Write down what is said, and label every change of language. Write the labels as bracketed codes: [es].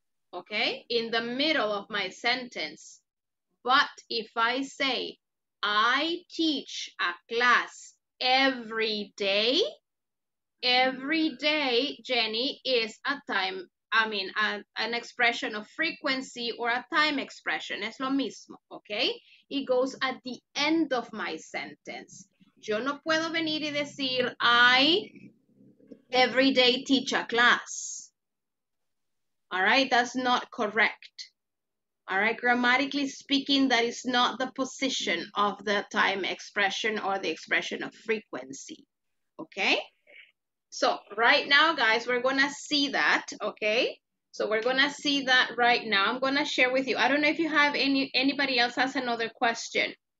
[en] Okay, in the middle of my sentence. But if I say, I teach a class every day, Jenny, is a time, I mean, an expression of frequency or a time expression. [es] Es lo mismo, okay? [en] It goes at the end of my sentence. [es] Yo no puedo venir y decir, [en] I every day teach a class. All right, that's not correct. All right, grammatically speaking, that is not the position of the time expression or the expression of frequency, okay? So right now, guys, we're gonna see that, okay? So we're gonna see that right now. I'm gonna share with you. I don't know if you have anybody else has another question.